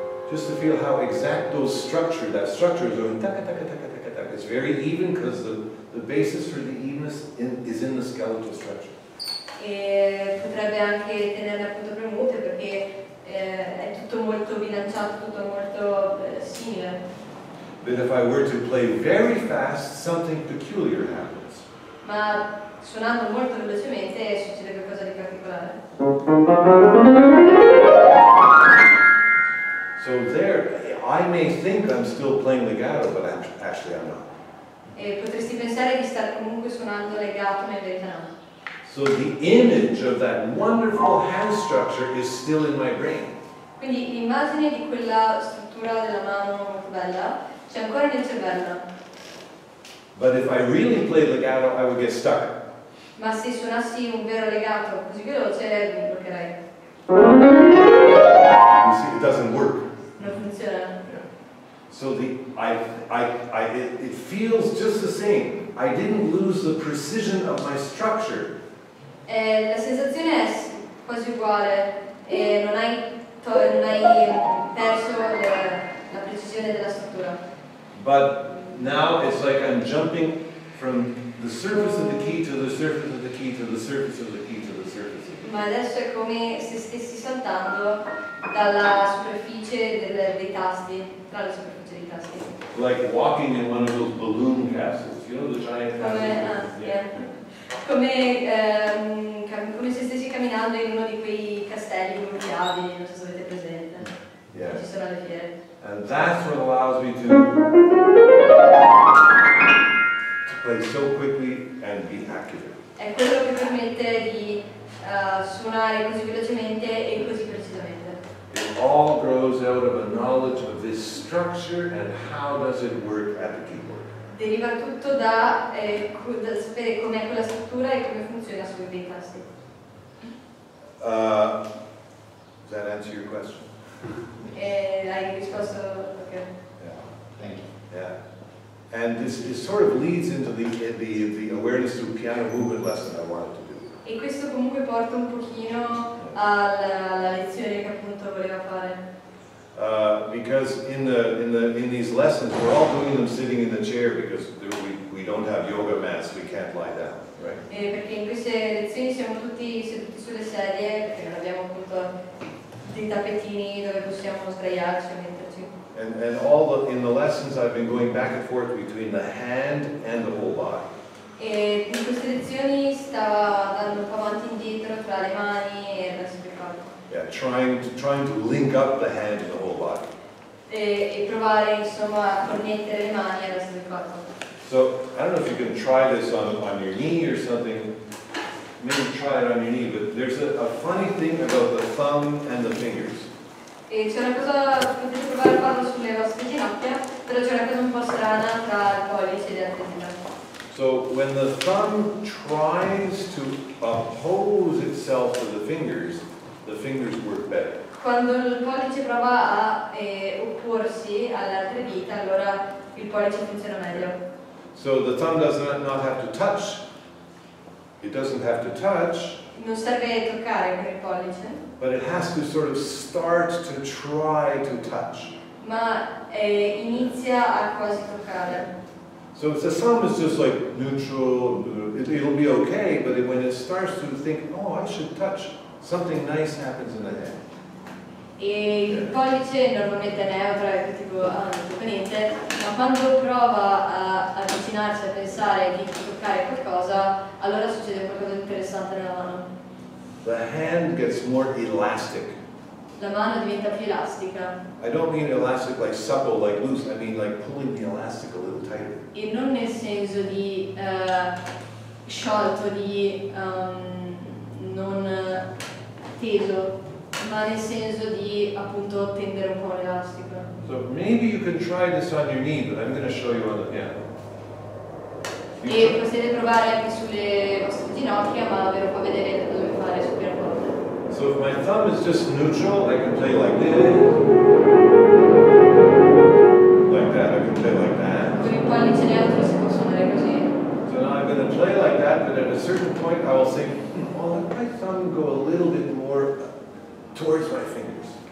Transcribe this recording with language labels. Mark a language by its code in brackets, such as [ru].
[en] Just to feel how exact those structures, that structure is going taka taka taka taka taka. It's very even because the basis for the evenness is in the skeletal structure. [it] E potrebbe anche tenerle appunto premute perché è tutto molto bilanciato, tutto molto simile. [en] But if I were to play very fast, something peculiar happens. [it] Ma suonando molto velocemente succede qualcosa di particolare. [en] So there, I may think I'm still playing legato, but actually I'm not. [it] E potresti pensare di star comunque suonando legato, ma in realtà no. [en] So the image of that wonderful hand structure is still in my brain. [it] Quindi l'immagine di quella struttura della mano molto bella c'è ancora nel cervello. [en] But if I really play legato, I would get stuck. [it] Ma se suonassi un vero legato così veloce, mi bloccherei. [en] You see, it doesn't work. [it] Non funziona. [en] Yeah. So it feels just the same. I didn't lose the precision of my structure. [it] La sensazione è quasi uguale. Non hai perso la precisione della struttura. [en] But now it's like I'm jumping from the surface of the key to the surface of the key to the surface of the key to the surface. [it] Ma adesso è come se stessi saltando dalla superficie dei tasti, tra le superfici dei tasti. [en] Like walking in one of those balloon castles, you know, the giant castles? [it] Come se stessi camminando in uno di quei castelli gonfiabili, non so se avete presente. [en] Yeah. [it] Ci sono le fiere. [en] And that's what allows me to play so quickly and be accurate. [it] È quello che permette di suonare così velocemente e così precisamente. [en] It all grows out of a knowledge of this structure and how does it work at the keyboard. [it] Deriva tutto da sapere com'è quella struttura e come funziona sui dei tasti. [en] Does that answer your question? [it] Hai risposto? Ok. [en] Yeah. And this sort of leads into the awareness through piano movement lesson I wanted to do. [it] E questo comunque porta un pochino alla lezione che appunto voleva fare. [en] Because in these lessons we're all doing them sitting in the chair because we don't have yoga mats, we can't lie down, right? [it] E perché in queste lezioni siamo tutti seduti sulle sedie perché non abbiamo appunto dei tappetini dove possiamo sdraiarci e metterci. [en] Yeah. And all the in the lessons I've been going back and forth between the hand and the whole body. [it] E in queste lezioni sta andando avanti e indietro tra le mani e il resto del corpo. [en] Yeah, trying to link up the hand and the whole body. [it] E provare insomma a connettere le mani e il resto del corpo. [en] So I don't know if you can try this on your knee or something. Maybe try it on your knee, but there's a funny thing about the thumb and the fingers. [it] E c'è una cosa potete provare a farlo sulle vostre ginocchia, però c'è una cosa un po' strana tra il pollice e la dita. [en] So when the thumb tries to oppose itself to the fingers work better. [it] Quando il pollice prova a opporsi alle altre dita, allora il pollice funziona meglio. [en] So the thumb does not have to touch. It doesn't have to touch. [it] Non serve toccare con il pollice. [en] But it has to sort of start to try to touch. [it] Ma inizia a quasi toccare. [en] So if the thumb is just like neutral, it'll be okay, but when it starts to think, oh, I should touch, something nice happens in the hand. [it] E il pollice normalmente neutro, è tipo, niente, ma quando prova a avvicinarsi, a pensare di toccare qualcosa, allora succede qualcosa di interessante nella mano. [en] The hand gets more elastic. [it] La mano diventa più elastica. [en] I don't mean elastic like supple, like loose, I mean like pulling the elastic a little tighter. [it] E non nel senso di sciolto, di non teso. Ma nel senso di appunto tendere un po' l'elastico. [en] So maybe you can try this on your knee, but I'm going to show you on the piano. [it] E potete provare anche sulle vostre ginocchia, ma ve lo fa vedere da dove fare sul piano. [en] So if my thumb is just neutral, I can play like this. Like that, I can play like that. [it] Con il pollice neutro si può suonare così. [en] So now I'm going to play like that, but at a certain point I will say, well, let my thumb go a little bit more towards my fingers.